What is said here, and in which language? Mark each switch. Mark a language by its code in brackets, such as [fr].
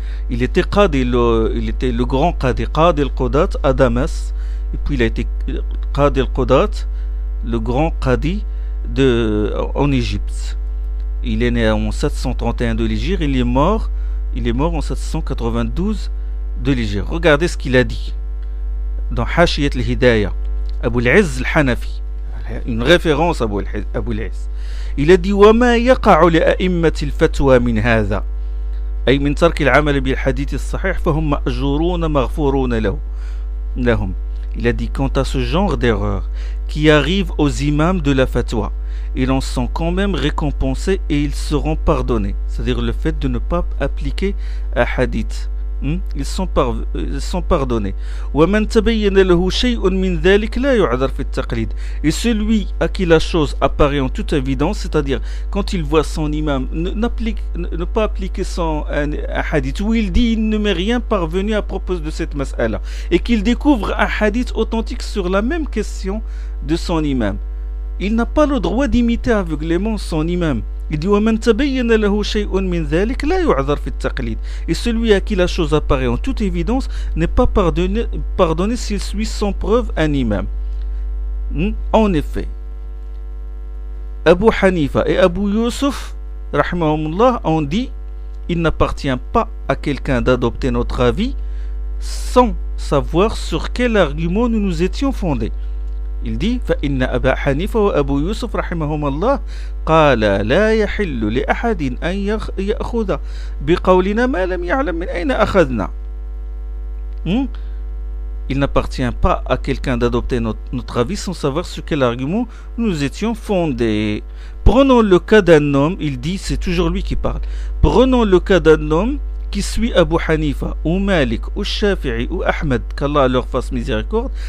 [fr] Il était qadi, il était le grand qadi, qadi al-Qudat à Damas, et puis il a été qadi al-Qudat, le grand qadi en Égypte. Il est né en 731 de l'Hijri, il est mort en 792 de l'Hijri. Regardez ce qu'il a dit dans Hashiyat al-Hidaya, Abu al-Izz al-Hanafi, une référence à Abu al-Izz. Il a dit: [ar] وما يقع لأئمة الفتوى من هذا أي من ترك العمل بالحديث الصحيح فهم مأجورون مغفورون لهم. [fr] Il a dit: quant à ce genre d'erreur qui arrive aux imams de la fatwa, ils en sont quand même récompensés et ils seront pardonnés. C'est-à-dire le fait de ne pas appliquer un hadith. Ils sont pardonnés. [ar] ومن تبين له شيء من ذلك لا يعذر في التقليد. [fr] Et celui à qui la chose apparaît en toute évidence, c'est-à-dire quand il voit son imam ne pas appliquer un hadith, où il dit il ne m'est rien parvenu à propos de cette mas'ala, et qu'il découvre un hadith authentique sur la même question de son imam, il n'a pas le droit d'imiter aveuglément son imam. Il dit: [ar] ومن تبين له شيء من ذلك لا يعذر في التقليد. [fr] Et celui à qui la chose apparaît en toute évidence n'est pas pardonné s'il suit sans preuve un imam. En effet, Abu Hanifa et Abu Yusuf rahmahumullah ont dit: il n'appartient pas à quelqu'un d'adopter notre avis sans savoir sur quel argument nous nous étions fondés. Il dit, [ar] فإن أبا حنيفة وأبو يوسف رحمهما الله قال لا يحل لأحد أن يأخذ بقولنا ما لم يعلم من أين أخذنا. [fr] Il n'appartient pas à quelqu'un d'adopter notre avis sans savoir sur quel argument nous étions fondés. Prenons le cas d'un homme, il dit, c'est toujours lui qui parle. Prenons le cas d'un homme qui suit Abu Hanifa, ou Malik, ou Shafi'i, ou Ahmed, qu'Allah leur fasse miséricorde.